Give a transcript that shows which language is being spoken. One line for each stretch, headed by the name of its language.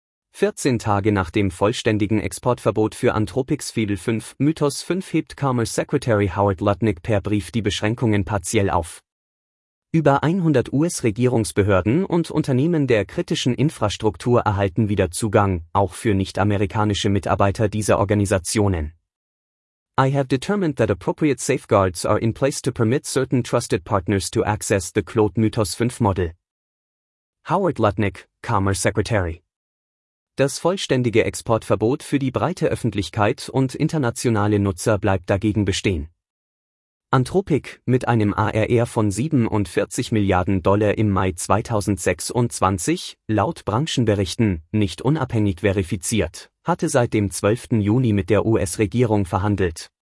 German: 14 Tage nach dem vollständigen Exportverbot für Anthropics Veil 5, Mythos 5 hebt Commerce Secretary Howard Lutnick per Brief die Beschränkungen partiell auf. Über 100 US-Regierungsbehörden und Unternehmen der kritischen Infrastruktur erhalten wieder Zugang, auch für nicht-amerikanische Mitarbeiter dieser Organisationen.
English: I have determined that appropriate safeguards are in place to permit certain trusted partners to access the Claude Mythos 5 model. Howard Lutnick, Commerce Secretary.
German: Das vollständige Exportverbot für die breite Öffentlichkeit und internationale Nutzer bleibt dagegen bestehen. Anthropic, mit einem ARR von $47 Milliarden im Mai 2026, laut Branchenberichten, nicht unabhängig verifiziert, hatte seit dem 12. Juni mit der US-Regierung verhandelt.